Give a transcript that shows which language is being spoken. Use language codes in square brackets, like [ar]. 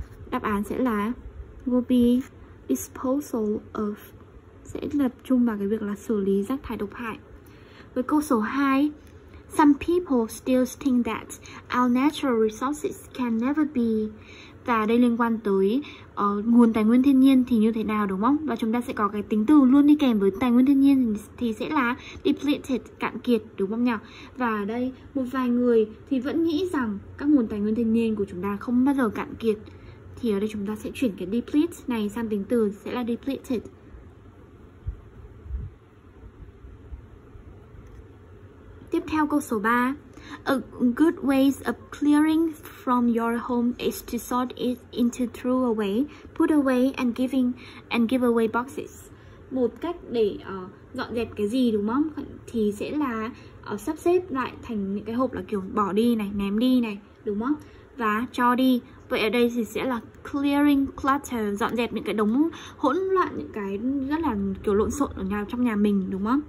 [vi] Đáp án sẽ là [en] will be disposal of, [vi] sẽ tập trung vào cái việc là xử lý rác thải độc hại. Với câu số 2, [en] some people still think that our natural resources can never be. [vi] Và đây liên quan tới nguồn tài nguyên thiên nhiên thì như thế nào đúng không? Và chúng ta sẽ có cái tính từ luôn đi kèm với tài nguyên thiên nhiên thì sẽ là depleted, cạn kiệt đúng không nhỉ? Và đây một vài người thì vẫn nghĩ rằng các nguồn tài nguyên thiên nhiên của chúng ta không bao giờ cạn kiệt. Thì ở đây chúng ta sẽ chuyển cái deplete này sang tính từ sẽ là depleted. Tiếp theo câu số 3. [en] A good way of clearing from your home is to sort it into throw away, put away and giving and give away boxes. [vi] Một cách để dọn dẹp cái gì đúng không? Thì sẽ là sắp xếp lại thành những cái hộp là kiểu bỏ đi này, ném đi này, đúng không? Và cho đi. Vậy ở đây thì sẽ là clearing clutter, dọn dẹp những cái đống hỗn loạn, những cái rất là kiểu lộn xộn ở nhà, trong nhà mình đúng không?